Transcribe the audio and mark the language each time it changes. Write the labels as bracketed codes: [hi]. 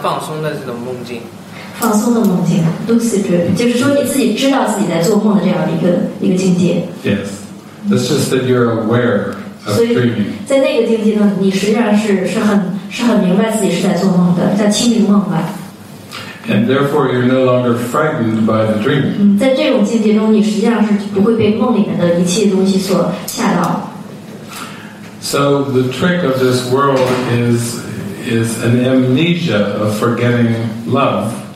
[zh] 但是当你觉醒，在你觉醒过来之前，你应该有这种非常放松的这种梦境。放松的梦境 ，lucid dream，就是说你自己知道自己在做梦的这样的一个境界。 [en] Yes, that's just that you're aware. [zh] 所以在那个境界中你实际上是很明白自己是在做梦的叫清明梦吧 [en] And therefore you're no longer frightened by the dream [zh] 在这种境界中你实际上是不会被梦里面的一切东西所吓到 [en] So the trick of this world is an amnesia of forgetting love